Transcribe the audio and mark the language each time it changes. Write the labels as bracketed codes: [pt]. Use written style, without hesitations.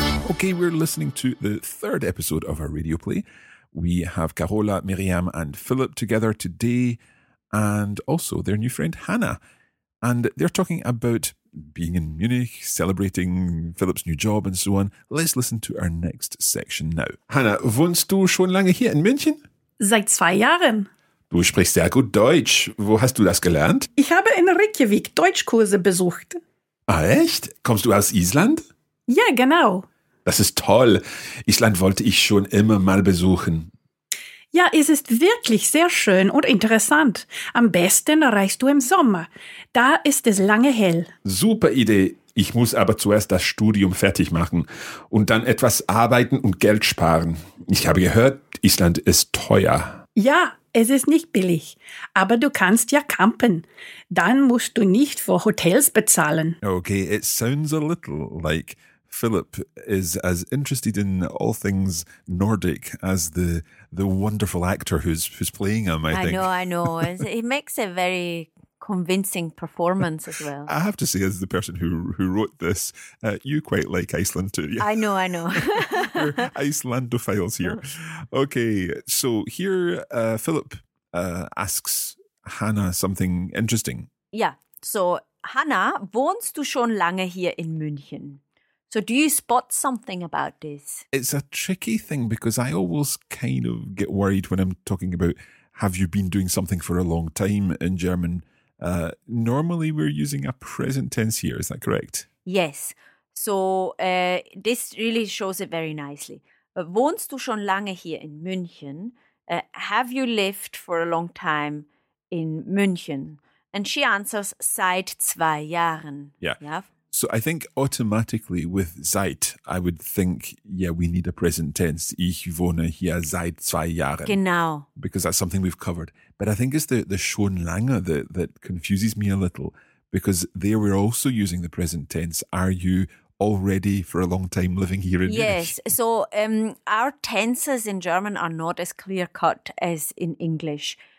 [en] Okay, we're listening to the third episode of our radio play. We have Carola, Miriam and Philip together today, and also their new friend Hannah. And they're talking about being in Munich, celebrating Philip's new job and so on. Let's listen to our next section now. [de] Hannah, wohnst du schon lange hier in München? Seit 2 Jahren. Du sprichst sehr gut Deutsch. Wo hast du das gelernt? Ich habe in Reykjavik Deutschkurse besucht. Ah, echt? Kommst du aus Island? Ja, genau. Das ist toll. Island wollte ich schon immer mal besuchen. Ja, es ist wirklich sehr schön und interessant. Am besten reist du im Sommer. Da ist es lange hell. Super Idee. Ich muss aber zuerst das Studium fertig machen und dann etwas arbeiten und Geld sparen. Ich habe gehört, Island ist teuer. Ja, es ist nicht billig. Aber du kannst ja campen. Dann musst du nicht für Hotels bezahlen. [en] Okay, it sounds a little like Philip is as interested in all things Nordic as the wonderful actor who's playing him, I think. I know. He makes a very convincing performance as well. I have to say, as the person who wrote this, you quite like Iceland too. Yeah. I know. We're Icelandophiles here. Okay, so here Philip asks Hannah something interesting. Yeah, so [de] Hannah, wohnst du schon lange hier in München? [en] So do you spot something about this? It's a tricky thing because I always kind of get worried when I'm talking about have you been doing something for a long time in German. Normally we're using a present tense here, is that correct? Yes. So this really shows it very nicely. [de] Wohnst du schon lange hier in München? [en] Have you lived for a long time in München? And she answers, [de] seit 2 Jahren. [en] Yeah. So I think automatically with seit, I would think, yeah, we need a present tense. [de] Ich wohne hier seit 2 Jahren. Genau. [en] Because that's something we've covered. But I think it's the schon lange that confuses me a little, because there we're also using the present tense. Are you already for a long time living here in yes. Munich? Yes. So our tenses in German are not as clear cut as in English.